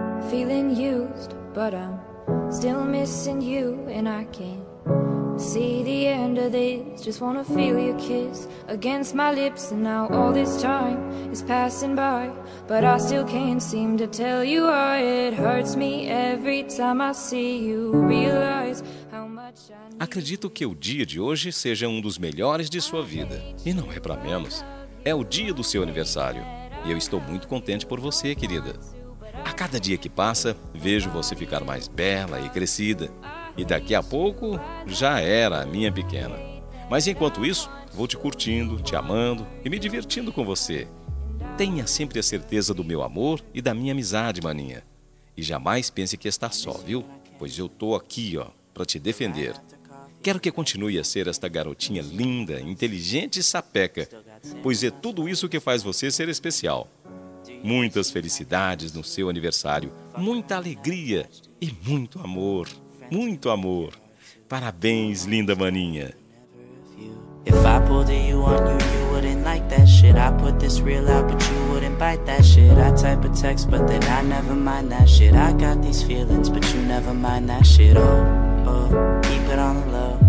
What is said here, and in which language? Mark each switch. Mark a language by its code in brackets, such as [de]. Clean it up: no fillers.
[en] feeling used, but I'm still missing you, and I can't see the end of this. Just wanna feel your kiss against my lips, and now all this time is passing by, but I still can't seem to tell you why. It hurts me every time I see you, realize how much I need. [pt] Acredito que o dia de hoje seja um dos melhores de sua vida, e não é pra menos. É o dia do seu aniversário, e eu estou muito contente por você, querida. A cada dia que passa, vejo você ficar mais bela e crescida. E daqui a pouco, já era a minha pequena. Mas enquanto isso, vou te curtindo, te amando e me divertindo com você. Tenha sempre a certeza do meu amor e da minha amizade, maninha. E jamais pense que está só, viu? Pois eu tô aqui, ó, pra te defender. Quero que continue a ser esta garotinha linda, inteligente e sapeca. Pois é tudo isso que faz você ser especial. Muitas felicidades no seu aniversário, muita alegria e muito amor. Muito amor. Parabéns, linda maninha. [en] If I pulled it, you on you, you wouldn't like that shit. I put this real out, but you wouldn't bite that shit. I type a text, but then I never mind that shit. I got these feelings, but you never mind that shit. Oh, oh, keep it on the low.